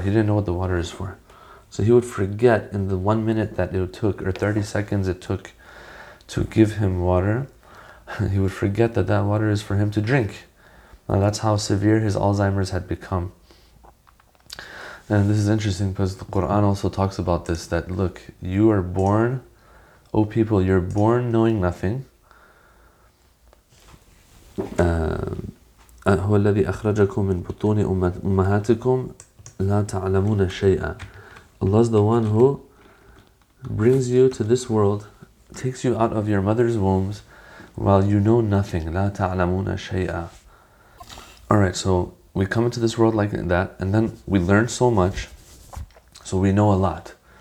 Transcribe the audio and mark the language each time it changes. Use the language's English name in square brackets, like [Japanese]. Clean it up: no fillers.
[English] He didn't know what the water is for. So he would forget in the 1 minute that it took, or 30 seconds it took to give him water, he would forget that that water is for him to drink. Now that's how severe his Alzheimer's had become. And this is interesting because the Quran also talks about this, that look, you are born, O people, you're born knowing nothing. [Arabic] هو الذي أخرجكم من بطون أمهاتكم لا تعلمون شيئا. [English] Allah is the one who brings you to this world, takes you out of your mother's wombs while you know nothing. [Arabic] لا تعلمون شيئا. [English] Alright, so we come into this world like that, and then we learn so much, so we know a lot.